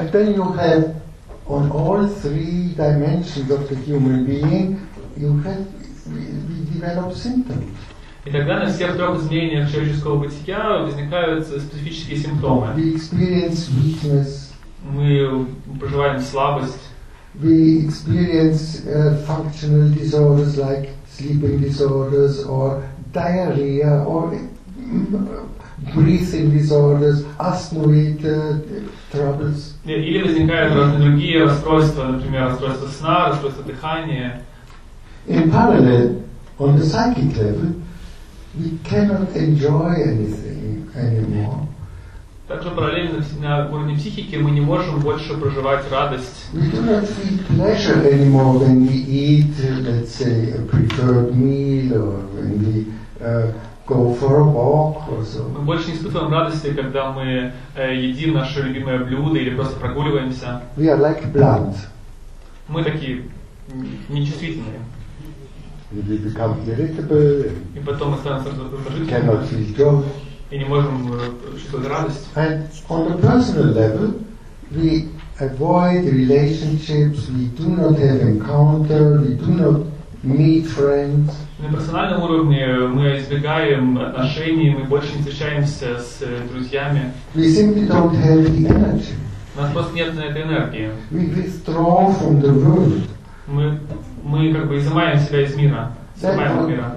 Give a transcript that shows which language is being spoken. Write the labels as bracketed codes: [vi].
[en] And then you have on all three dimensions of the human being, you have we develop symptoms. [ru] И тогда на всех трех изменениях человеческого бытия возникают специфические симптомы. [en] We experience weakness. [ru] Мы проживаем слабость. [en] We experience functional disorders like sleeping disorders or diarrhea or breathing disorders, asthma-related troubles. [ru] Или возникают разные другие расстройства, например, расстройство сна, расстройство дыхания. [en] In parallel, on the psychic level, we cannot enjoy anything anymore. [ru] Также параллельно на уровне психики мы не можем больше проживать радость. [en] We do not feel pleasure anymore when we eat, let's say, a preferred meal, or when we go for a walk or so. [ru] Мы больше не испытываем радости, когда мы едим наше любимое блюдо или просто прогуливаемся. [en] We are like blunt. [ru] Мы такие нечувствительные. [en] And we become irritable. [ru] И потом мы становимся раздражительными. [en] Cannot feel joy. [ru] И не можем чувствовать радость. [en] And on a personal level, we avoid relationships. We do not have encounter. We do not meet friends. [ru] На персональном уровне мы избегаем отношений. Мы больше не встречаемся с друзьями. [en] We simply don't have the energy. [ru] У нас просто нет на это энергии. [en] We withdraw from the world. [ru] Мы как бы изымаем себя из мира, изымаем от мира.